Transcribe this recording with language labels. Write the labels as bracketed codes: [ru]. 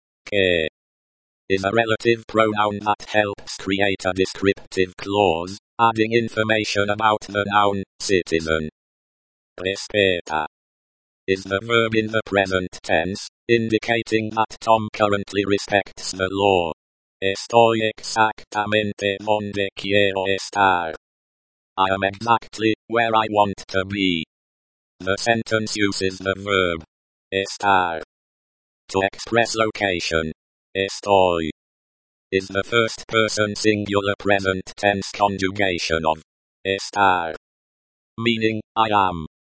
[en] Que. Is a relative pronoun that helps create a descriptive clause, adding information about the noun, citizen. Respeta. Is the verb in the present tense, indicating that Tom currently respects the law. [es] Estoy exactamente donde quiero estar. [en] I am exactly where I want to be. The sentence uses the verb estar to express location. Estoy is the first person singular present tense conjugation of estar, meaning I am.